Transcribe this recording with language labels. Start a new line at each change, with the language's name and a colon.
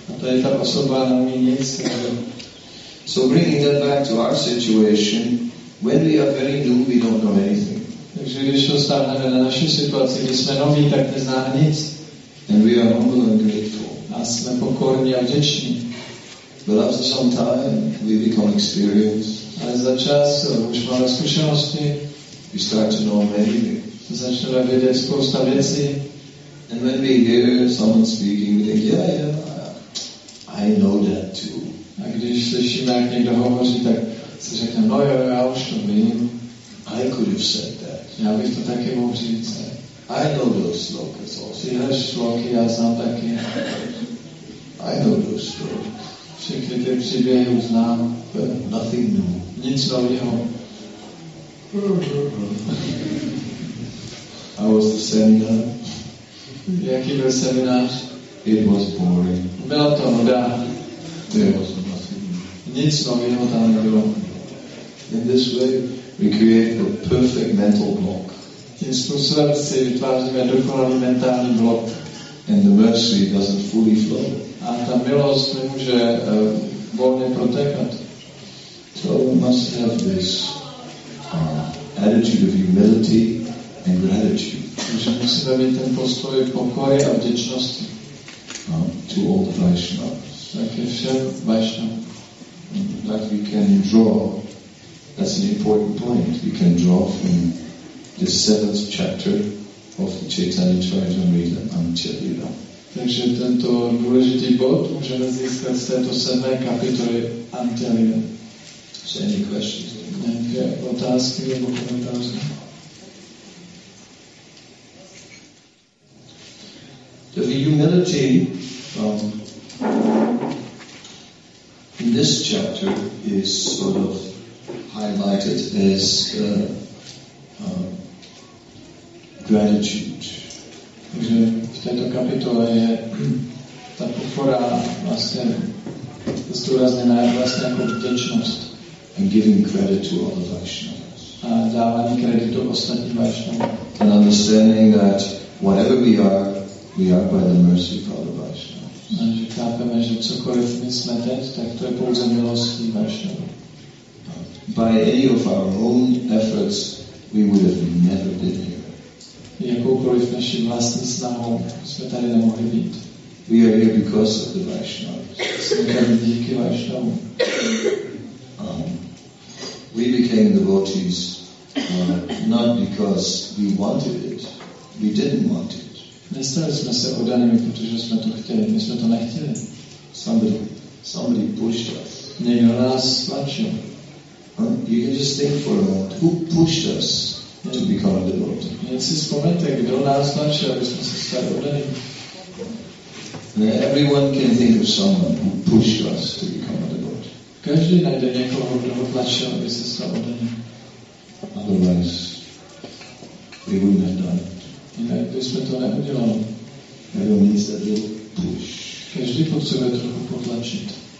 Czech: Tady ta osoba neumí nic.
English: So bringing that back to our situation, when we are very new, we don't know anything.
Czech: Takže když to stáhneme na naši situaci, když jsme noví, tak neznáme nic.
English: And we are humble and grateful.
Czech: A jsme pokorní a vděční.
English: But after some time, we become experienced.
Czech: Ale za čas už máme zkušenosti.
English: We start to know many things.
Czech: Začneme vědět spousta věcí.
English: And when we hear someone speaking, we think, yeah, yeah, I know that too.
Czech: A když slyšíme, jak někdo hovoří, tak se řekne, no jo, já už to vím.
English: I could have said that.
Czech: Já bych to taky mohl říct.
English: I know those slokas also.
Czech: Tyhle sloky já znám taky.
English: I know those slokas.
Czech: Všechny ty příběhy už znám.
English: But nothing new.
Czech: Nic nového.
English: I was the seminar.
Czech: Jaký byl seminář?
English: It was boring.
Czech: Bylo to nuda.
English: There was nothing.
Czech: Nic nového tam nebylo.
English: In this way, we create a perfect mental block.
Czech: Tím způsobem si vytváříme dokonalý mentální blok.
English: And the mercy doesn't fully flow.
Czech: A ta milost nemůže volně protékat.
English: So we must have this attitude of humility and gratitude.
Czech: Takže musíme mít ten postoj pokoje a vděčnosti.
English: To all the Vaishnavas.
Czech: Také všem Vaishnavas.
English: That we can draw, that's an important point, we can draw from the seventh chapter od Chaitanya Charitamrita and Chaitanya.
Czech: Takže tento důležitý bod můžeme získat z této 7. kapitoly Antalya.
English: Any questions?
Czech: Nějaké otázky nebo komentáře?
English: The humility in this chapter is sort of highlighted as gratitude.
Czech: Takže v této kapitole je ta pokora vlastně zdůrazněna vlastně jako vděčnost.
English: And giving credit to other Vaishnavas.
Czech: A dávání kreditu ostatním Vaishnavas.
English: And understanding that whatever we are by the mercy of other Vaishnavas.
Czech: Takže chápeme, že cokoliv my jsme teď, tak to je pouze milostí Vaishnavas.
English: By any of our own efforts, we would have never been here.
Czech: Jakoukoliv naši vlastní snahou jsme tady nemohli být.
English: We are here because of the Vaishnavas.
Czech: Jsme tady díky Vaishnavům.
English: We became devotees not because we wanted it. We didn't want it.
Czech: Nestali jsme se oddanými, protože jsme to chtěli. My jsme to nechtěli.
English: Somebody pushed us.
Czech: Někdo nás tlačil.
English: You can just think for a moment. Who pushed us? To become a devotee.
Czech: Jen si vzpomeňte, kdo nás tlačil, aby jsme se stali oddaným.
English: Everyone can think of someone who pushed us to become a devotee.
Czech: Každý najde někoho, kdo ho tlačil, aby se stal oddaným.
English: Otherwise, we wouldn't have done it.
Czech: Jinak bychom to neudělali.
English: Everyone needs that little push.
Czech: Každý potřebuje trochu potlačit.